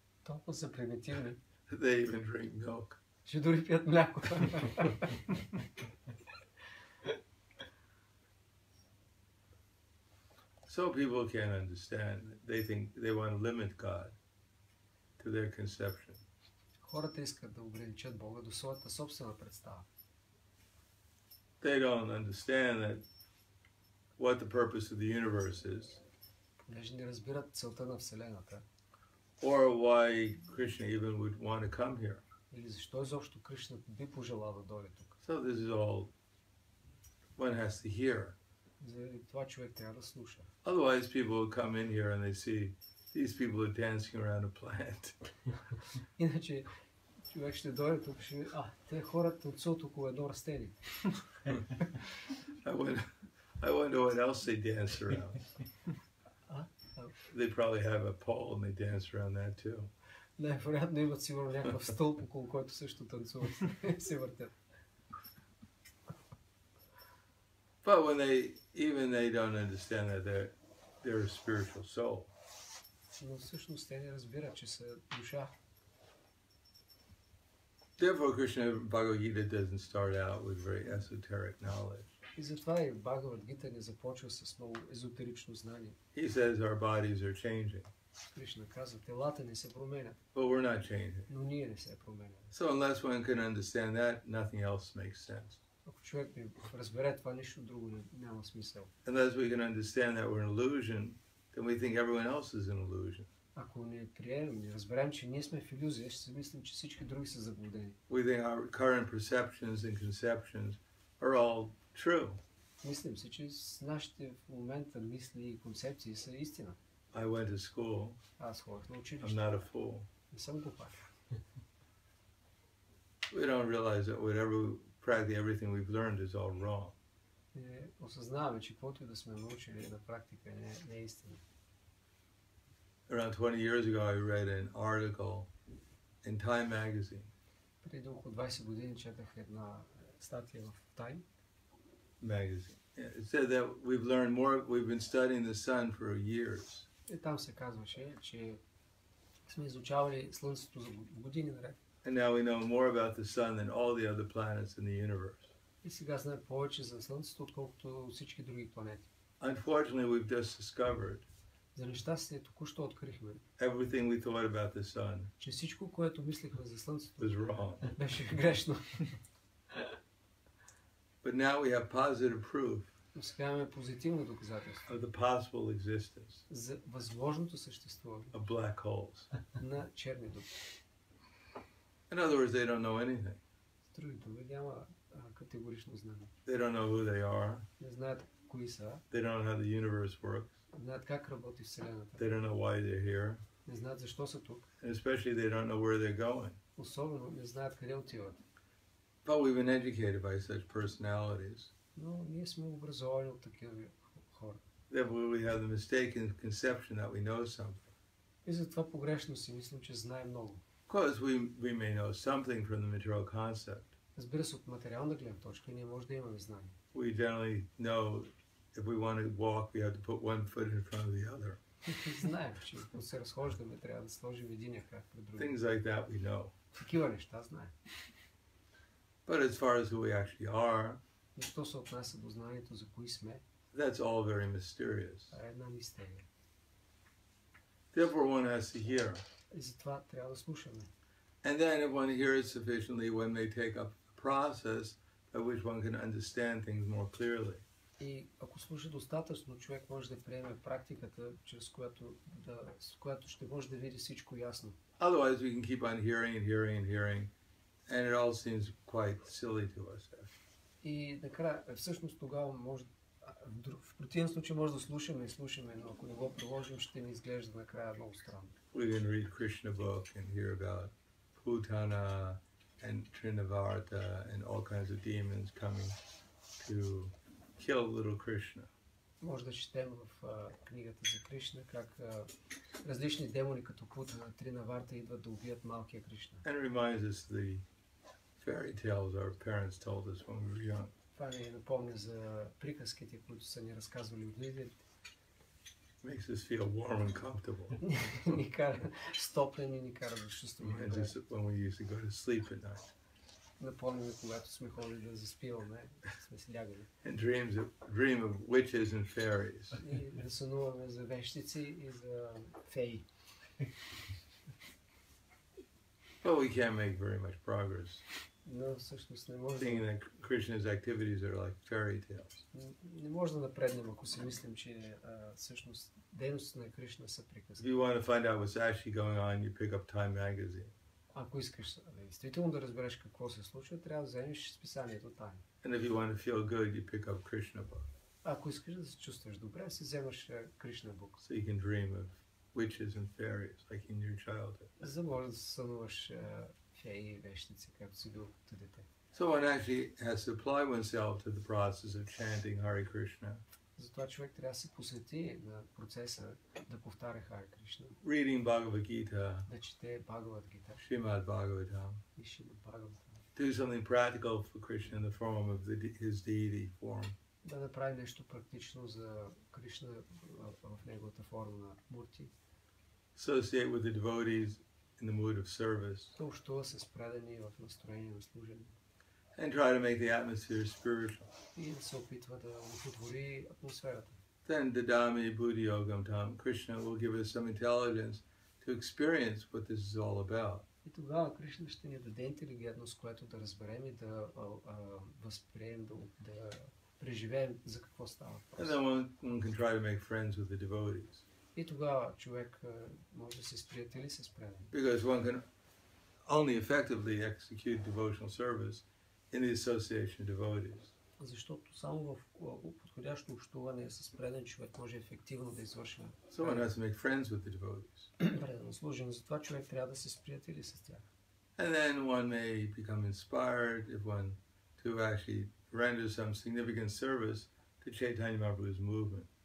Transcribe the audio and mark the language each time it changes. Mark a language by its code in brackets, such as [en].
[bg] Толкова са примитивни. [en] They even drink milk. [bg] Ще дори пият мляко. [en] So people can't understand. They think they want to limit God to their conception. [bg] Хората искат да ограничат Бога до своята собствена представа. [en] They don't understand that what the purpose of the universe is. [bg] Не разбират целта на вселената. [en] Or why Krishna even would want to come here. [bg] Или защо изобщо Кришна би пожелал да дойде тук. [en] So this is all one has to hear. [bg] Това човек трябва да слуша. [en] Otherwise people would come in here and they see these people are dancing around a plant. [bg] Иначе човек ще дойде тук и ще те хората танцуват около едно растение. [en] I wonder what else they dance around. They probably have a pole and they dance around that too. [bg] Най-вероятно имат сигурно някакъв стълб, около който също танцуват и се въртят. [en] But when they even they don't understand that they're a spiritual soul. [bg] Но всъщност те не разбират, че са душа. [en] Therefore Krishna Bhagavad Gita doesn't start out with very esoteric knowledge. [bg] И затова и Бхагавад Гита не започва с много езотерично знание. [en] He says our bodies are changing. [bg] Кришна казва, телата не се променят. [en] But we're not changing. [bg] Но ние не се променяме. [en] So unless one can understand that, nothing else makes sense. [bg] Ако човек не разбере това, нищо друго няма смисъл. [en] Unless we can understand that we're an illusion, then we think everyone else is an illusion. [bg] Ако не приемем, не разберем, че ние сме в иллюзия, ще се мислим, че всички други са заблудени. [en] We think our current perceptions and conceptions are all true. [bg] Мислим си, че с нашите в момента мисли и концепции са истина. [en] I went to school. [bg] Аз ходих на училище. [en] I'm not a fool. [bg] Не съм глупак. [en] We don't realize that whatever practically everything we've learned is all wrong. [bg] Не осъзнаваме, че каквото и да сме научили на практика не е истина. [en] Around 20 years ago I read an article in Time magazine. [bg] Преди около 20 години четах една статия в Time. [en] Magazine. It said that we've learned more, we've been studying the sun for years. [bg] И там се казваше, че сме изучавали слънцето за години наред. [en] And now we know more about the sun than all the other planets in the universe. [bg] И сега знаем повече за слънцето, отколкото всички други планети. [en] Unfortunately, we've just discovered. [bg] За нещастие току-що открихме. [en] Everything we thought about the sun. [bg] Че всичко, което мислихме за слънцето, [en] was wrong. [bg] Беше грешно. [en] But now we have positive proof. [bg] Сега имаме позитивно доказателство. [en] Of the possible existence. [bg] За възможното съществуване. [en] Of black holes. [bg] На черни дупки. [en] In other words, they don't know anything. [bg] Други думи, няма категорично знание. [en] They don't know who they are. [bg] Не знаят кои са. [en] They don't know how the universe works. [bg] Не знаят как работи вселената. [en] They don't know why they're here. [bg] Не знаят защо са тук. [en] And especially they don't know where they're going. [bg] Особено не знаят къде отиват. [en] But we've been educated by such personalities. [bg] No, ние сме образовани от такива хора. [en] Therefore we have the mistaken conception that we know something. [bg] И затова погрешно си мислим, че знаем много. [en] Of course we may know something from the material concept. [bg] Разбира се, от материална гледна точка ние може да имаме знание. [en] We generally know if we want to walk we have to put one foot in front of the other. [bg] Знаем, че ако се разхождаме трябва да сложим единия крак пред другия. [en] Things like that we know. [bg] Такива неща знаем. [en] But as far as who we actually are, [bg] що се отнася до знанието за кои сме, [en] that's all very mysterious. [bg] Това е една мистерия. [en] Therefore one has to hear. [bg] И затова трябва да слушаме. [en] And then if one hears sufficiently, one may take up a process by which one can understand things more clearly. [bg] И ако слуша достатъчно, човек може да приеме практиката, чрез която, да, с която ще може да види всичко ясно. [en] Otherwise we can keep on hearing and hearing and hearing, and it all seems quite silly to us. [bg] И накрая, всъщност тогава може, в противен случай може да слушаме и слушаме, но ако не го приложим, ще ни изглежда накрая много странно. [en] We can read Krishna book and hear about Putana and Trinavarta and all kinds of demons coming to kill little Krishna. [bg] Може да четем в книгата за Кришна как различни демони като Путана, Тринаварта идват да убият малкия Кришна. [en] And reminds us the fairy tales our parents told us when we were young. [bg] Това ни напомня за приказките, които са ни разказвали от родителите. [en] Makes us feel warm and comfortable. [bg] Ни кара стоплен и ни кара да чувстваме добре. [en] Reminds us when we used to go to sleep at night. [bg] Напомня, когато сме ходили да заспиваме, сме си лягали. [en] And dreams of, dream of witches and fairies. [bg] И да сънуваме за вещици и за феи. [en] But we can't make very much progress. [bg] Но всъщност не може. [en] Thinking that Krishna's activities are like fairy tales. [bg] Не може да напреднем, ако си мислим, че всъщност дейностите на Кришна са приказки. [en] If you want to find out what's actually going on, you pick up Time magazine. [bg] Ако искаш действително да разбереш какво се случва, трябва да вземеш списанието Time. [en] And if you want to feel good, you pick up Krishna book. [bg] Ако искаш да се чувстваш добре, си вземаш Krishna book. [en] So you can dream of witches and fairies like in your childhood. [bg] За може да сънуваш феи и вещици, както си бил като дете. [en] So one actually has to apply oneself to the process of chanting Hare Krishna. [bg] Затова човек трябва да се посвети на процеса да повтаря Хари Кришна. [en] Reading Bhagavad Gita. [bg] Да чете Бхагавад Гита. [en] Шримад Бхагаватам. [bg] И Шримад Бхагаватам. [en] Do something practical for Krishna in the form of the, his deity form. [bg] Да направи нещо практично за Кришна в неговата форма на Мурти. [en] Associate with the devotees in the mood of service. [bg] Да общува се с предани в настроение на служение. [en] And try to make the atmosphere spiritual. [bg] И се опитва да отвори атмосферата. [en] Then the [sa] Dhammi Buddhi Yogam Tam, [en] Krishna will give us some intelligence to experience what this is all about. [bg] И тогава Кришна ще ни даде интелигентност, което да разберем и да възприем, да преживеем за какво става. [en] And then one can try to make friends with the devotees. [bg] И тогава човек може да се сприятели с предани. [en] Because one can only effectively execute devotional service in the association of devotees. [bg] Защото само в подходящо общуване с преден човек може ефективно да извърши. [en] Someone has to make friends with the devotees. [bg] Предано служене, затова човек трябва да се сприятели с тях. [en] And then one may become inspired if one to actually render some significant service to Chaitanya Mahaprabhu's movement.